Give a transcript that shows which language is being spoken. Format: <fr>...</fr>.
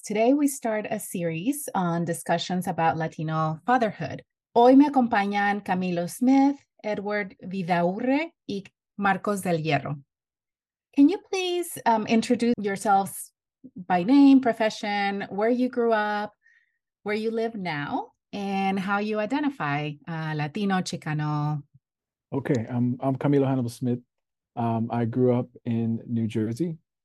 <en>Today we start a series on discussions about Latino fatherhood.</en> <es>Hoy me acompañan Camilo Smith, Edward Vidaurre, y Marcos del Hierro.</es> <en>Can you please introduce yourselves by name, profession, where you grew up, where you live now, and how you identify Latino, Chicano? Okay, I'm Camilo Hannibal Smith. I grew up in New Jersey.</en>